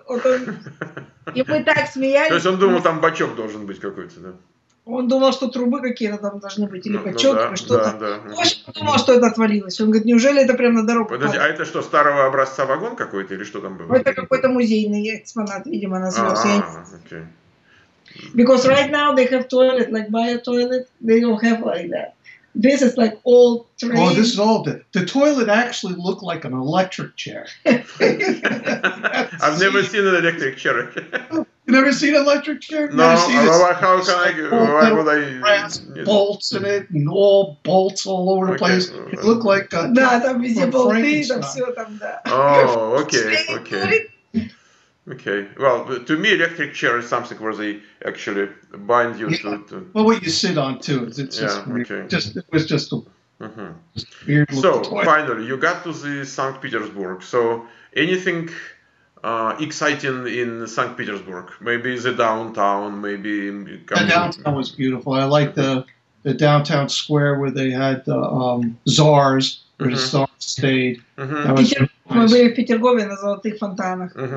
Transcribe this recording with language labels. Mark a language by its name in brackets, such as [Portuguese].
[Russian] Вот он... И мы так смеялись. То есть он думал, там бачок должен быть какой-то, да? Он думал, что трубы какие-то там должны быть, или бачок, или что-то. Да, да. В общем, он думал, что это отвалилось. Он говорит, неужели это прямо на дорогу? Подожди, а это что, старого образца вагон какой-то, или что там было? Это какой-то музейный экспонат, видимо, назывался. А, окей. [English] Because right now they have toilet, like by a toilet, they don't have like that. This is like old train. Oh, this is old. The toilet actually looked like an electric chair. I've never seen an electric chair. You never seen an electric chair? No, never seen how can I? Why would I? Brass bolts in it, and all bolts all over the place. It looked like a. [Russian] Да, там везде болты, там все там да. [English] Oh, okay. Okay. Well, to me, electric chair is something where they actually bind you to. Well, what you sit on too. It's yeah. Just okay. It was just a weird. So finally, you got to the Saint Petersburg. So anything exciting in Saint Petersburg? Maybe the downtown. The downtown was beautiful. I like the the downtown square where they had the czars, where the czars stayed. [Russian] Мы были в Петергофе на Золотых фонтанах.